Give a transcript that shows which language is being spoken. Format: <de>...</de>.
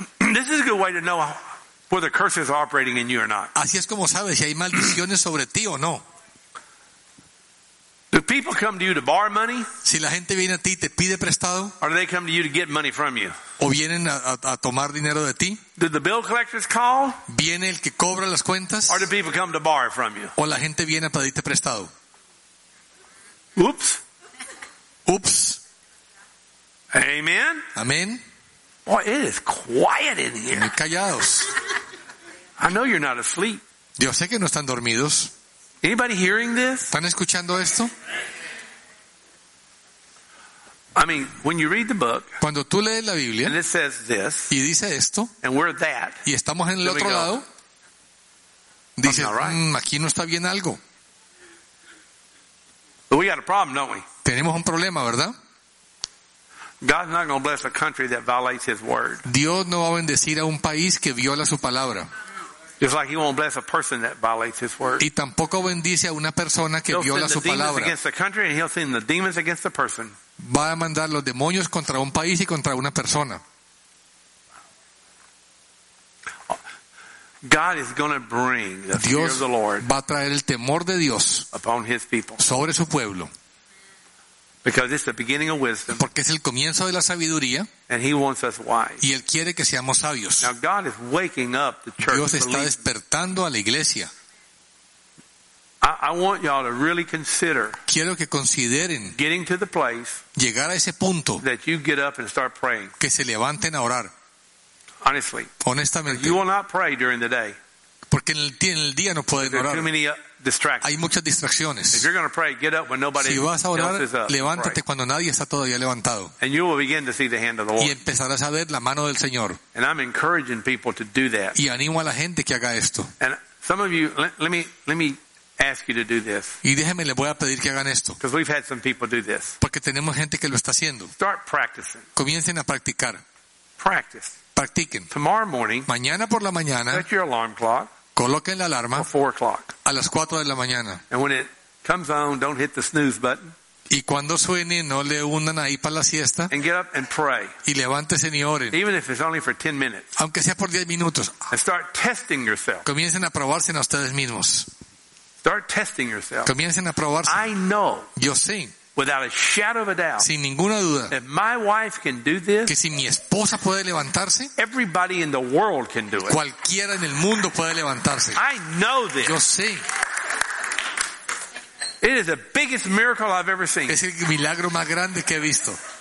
<en>This is a good way to know whether curses are operating in you or not.</en> <es>Así es como sabes si hay maldiciones sobre ti o no.</es> <en>Do people come to you to borrow money?</en> <es>Si la gente viene a ti y te pide prestado.</es> <en>Or do they come to you to get money from you?</en> <es>O vienen a tomar dinero de ti.</es> <en>Did the bill collectors call?</en> <es>Viene el que cobra las cuentas.</es> <en>Or do people come to borrow from you?</en> <es>O la gente viene a pedirte prestado. Oops. Oops.</es> <en>Amen. Amen. Boy, it is quiet in here.</en> <es>Muy callados.</es> <en>I know you're not asleep.</en> <es>Yo sé que no están dormidos.</es> <en>Anybody hearing this?</en> <es>¿Están escuchando esto?</es> <en>I mean, when you read the book,</en> <es>cuando tú lees la Biblia,</es> <en>and it says this,</en> <es>y dice esto,</es> <en>and we're that,</en> <es>y estamos en el otro lado, dice, aquí no está bien algo.</es> <en>But we got a problem, don't we?</en> <es>Tenemos un problema, ¿verdad?</es> <en>God's not going to bless a country that violates His word.</en> <es>Dios no va a bendecir a un país que viola su palabra.</es> <en>Just like He won't bless a person that violates His word.</en> <es>Y tampoco bendice a una persona que</es> <en>he'll</en> <es>viola su palabra.</es> <en>Against the country and He'll send the demons against the person.</en> <es>Va a mandar los demonios contra un país y contra una persona.</es> <en>God is going to bring the</en> <es>Dios</es> <en>fear of the Lord.</en> <es>Va a traer el temor de Dios</es> <en>upon His people.</en> <es>Sobre su pueblo.</es> <en>Because it's the beginning of wisdom.</en> <es>Porque es el comienzo de la sabiduría.</es> <en>And He wants us wise.</en> <es>Y Él quiere que seamos sabios.</es> <en>Now God is waking up the church.</en> <es>Dios está despertando a la iglesia.</es> <en>I want y'all to really consider.</en> <es>Quiero que consideren.</es> <en>Getting to the place.</en> <es>Llegar a ese punto.</es> <en>That you get up and start praying.</en> <es>Que se levanten a orar.</es> <en>Honestly.</en> <es>Honestamente.</es> <en>You will not pray during the day.</en> <es>Porque en el día no pueden orar.</es> <en>Distractions.</en> <es>Hay muchas distracciones.</es> <en>If you're going to pray, get up when nobody</en> <es>si vas a orar,</es> <en>else is up,</en> <es>levántate cuando nadie está todavía levantado.</es> <en>And you will begin to see the hand of the Lord.</en> <es>Y empezarás a ver la mano del Señor.</es> <en>And I'm encouraging people to do that.</en> <es>Y animo a la gente que haga esto.</es> <en>And some of you, let me ask you to do this.</en> <es>Y déjeme les voy a pedir que hagan esto.</es> <en>Because we've had some people do this.</en> <es>Porque tenemos gente que lo está haciendo.</es> <en>Start practicing.</en> <es>Comiencen a practicar.</es> <en>Practice.</en> <es>Practiquen.</es> <en>Tomorrow morning.</en> <es>Mañana por la mañana.</es> <en>Set your alarm clock.</en> <es>Coloquen la alarma a las 4 de la mañana.</es> <en>And when it comes on, don't hit the snooze button.</en> <es>Y cuando suene, no le hundan ahí para la siesta.</es> <en>And get up and pray.</en> <es>Y levántese y oren.</es> <en>Even if it's only for 10 minutes.</en> <es>Aunque sea por 10 minutos.</es> <en>And start testing yourself.</en> <es>Comiencen a probarse a ustedes mismos.</es> <en>Start testing yourself.</en> <es>Comiencen a probarse.</es> <en>I know.</en> <es>Yo sé.</es> <en>Without a shadow of a doubt.</en> <es>Sin ninguna duda.</es> <en>If my wife can do this.</en> <es>Que si mi esposa puede levantarse.</es> <en>Everybody in the world can do it.</en> <es>Cualquiera en el mundo puede levantarse.</es> <en>I know this.</en> <es>Yo sé.</es> <en>It is the biggest miracle I've ever seen.</en> <es>Es el milagro más grande que he visto.</es>